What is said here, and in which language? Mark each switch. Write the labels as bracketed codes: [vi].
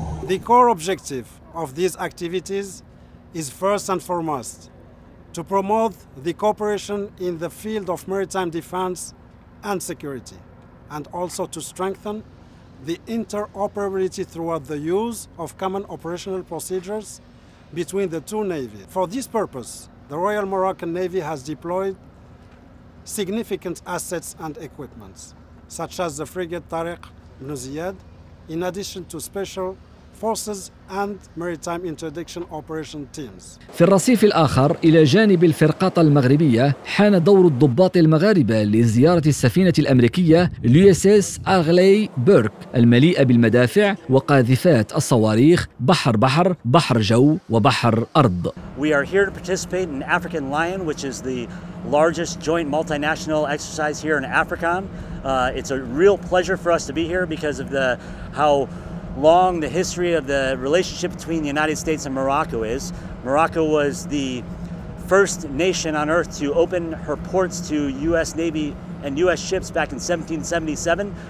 [en] The core objective of these activities is first and foremost to promote the cooperation in the field of maritime defense and security, and also to strengthen the interoperability throughout the use of common operational procedures between the two navies. For this purpose, the Royal Moroccan Navy has deployed significant assets and equipment, such as the frigate Tariq ibn Ziyad, in addition to special forces and maritime interdiction operation teams. [ar] في الرصيف الآخر إلى جانب الفرقاطة المغربية، حان دور الضباط المغاربة لزيارة السفينة الأمريكية USS أغلي بيرك المليئة بالمدافع وقاذفات الصواريخ بحر بحر بحر جو وبحر أرض. [en] We are here to participate in African Lion, which is the largest joint multinational exercise here in Africa. It's a real pleasure for us to be here because of the how long the history of the relationship between the United States and Morocco is. Morocco was the first nation on earth to open her ports to US Navy and US ships back in 1777.